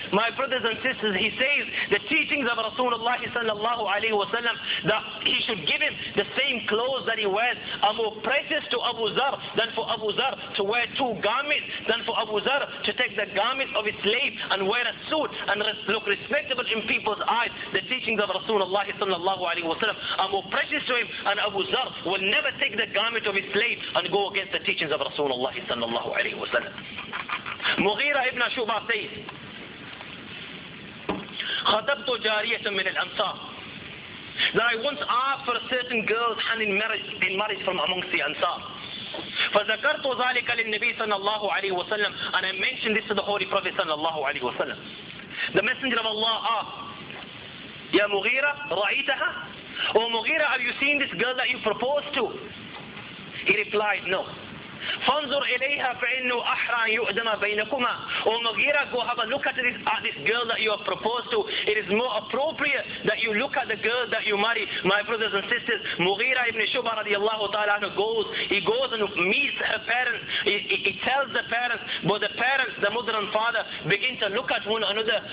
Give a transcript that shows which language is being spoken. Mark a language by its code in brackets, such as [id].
[en] My brothers and sisters, he says the teachings of Rasulullah sallallahu alayhi wa sallam, that he should give him the same clothes that he wears, are more precious to Abu Zar than for Abu Zar to wear two garments, than for Abu Zar to take the garment of his slave and wear a suit and look respectable in people's eyes. The teachings of Rasulullah sallallahu alayhi wa sallam are more precious to him, and Abu Zar will never take the garment of his slave and go against the teachings of Rasulullah sallallahu alayhi wa sallam. [ar] مغيرة ابن شعبة سيد خطبت جارية من الأنصار. [en] That I once asked for a certain girl's hand in marriage from amongst the Ansar. [ar] فذكرت ذلك للنبي صلى الله عليه وسلم. [en] And I mentioned this to the Holy Prophet صلى الله عليه وسلم. The Messenger of Allah asked, [ar] يا مغيرة رأيتها؟ [en] Oh مغيرة, have you seen this girl that you proposed to? He replied, no. [ar] فانظر إليها فإنه أحرى أن يؤدم بينكما. [en] Oh Mughira, go have a look at this girl that you have proposed to. It is more appropriate that you look at the girl that you marry. My brothers and sisters, Mughira ibn Shuba radiallahu ta'ala he goes and meets her parents. He tells the parents, but the parents, the mother and father, begin to look at one another.